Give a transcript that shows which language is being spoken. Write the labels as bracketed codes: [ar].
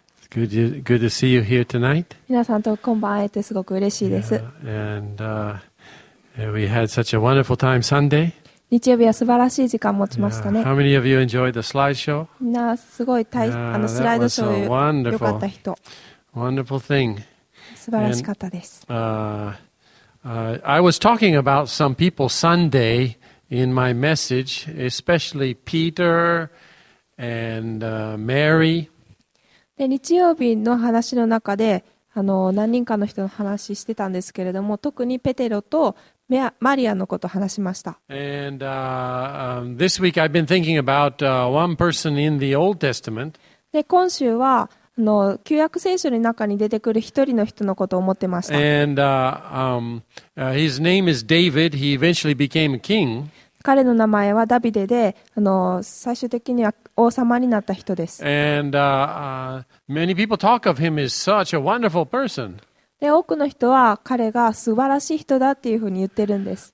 [en] Good to see you here tonight. [ja] 皆さんとこんばん会えてすごく嬉しいです。 [en] And we had such a wonderful time Sunday. [ja] 日曜日は素晴らしい時間を持ちましたね。 [en] How many of you enjoyed the slideshow? [ja] みんなすごい大あのスライドショーよかった人。 [en] Wonderful thing. [ja] 素晴らしかったです。 [en] I was talking about some people Sunday. In my message, especially Peter and Mary. [ja] で日曜日の話の中で何人かの人の話してたんですけれども、特にペテロとマリアのことを話しました。 [en] And this week I've been thinking about one person in the Old Testament. [ja] で今週は旧約聖書の中に出てくる一人の人のことを思ってました。 [en] And, his name is David. He eventually became a king. [ja] 彼の名前はダビデで、最終的には王様になった人です。 [en] And, many people talk of him as such a wonderful person. [ja] で、多くの人は彼が素晴らしい人だっていうふうに言ってるんです。